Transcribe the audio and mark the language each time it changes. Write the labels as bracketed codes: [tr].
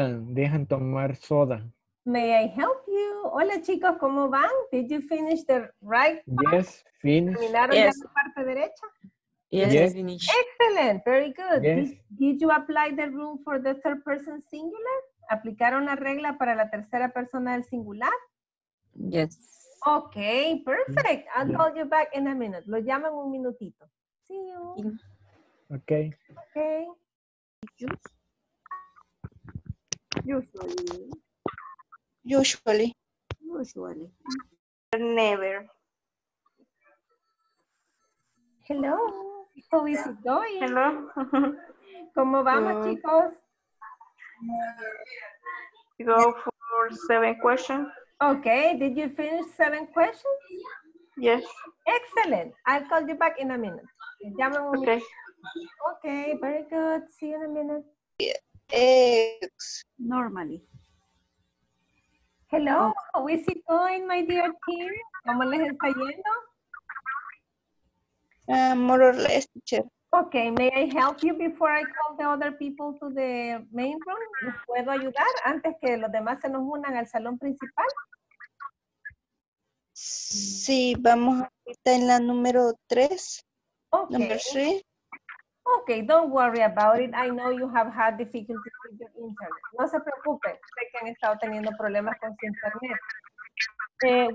[es] Dejan tomar soda. [en] May I help you? [es] Hola chicos, ¿cómo van? [en] Did you finish the right part? Yes, finished. [es] ¿Terminaron [en] yes. [es] la parte derecha? [en] Yes, finished. Excellent, very good. Yes. Did you apply the rule for the third person singular? [es] ¿Aplicaron la regla para la tercera persona del singular? [en] Yes. Okay, perfect. I'll call you back in a minute. [es] Lo llamo en un minutito. [en] See you. Okay. Okay. Usually. Never. Hello. How is it going? Hello. [es] ¿Cómo vamos, chicos? [en] Go for 7 questions. Okay. Did you finish 7 questions? Yes. Excellent. I'll call you back in a minute. [es] Llame un [en] okay. Okay, very good. See you in a minute. Yeah. Normally. Hello, how is it going, my dear team? [es] ¿Cómo les está yendo? [en] More or less, teacher. Okay, may I help you before I call the other people to the main room? [es] ¿Les puedo ayudar antes que los demás se nos unan al salón principal? Sí, vamos ahorita en la número 3. [en] Okay. Number 3. Okay, don't worry about it. I know you have had difficulties with your internet. [es] No se preocupe. Sé que han estado teniendo problemas con su internet.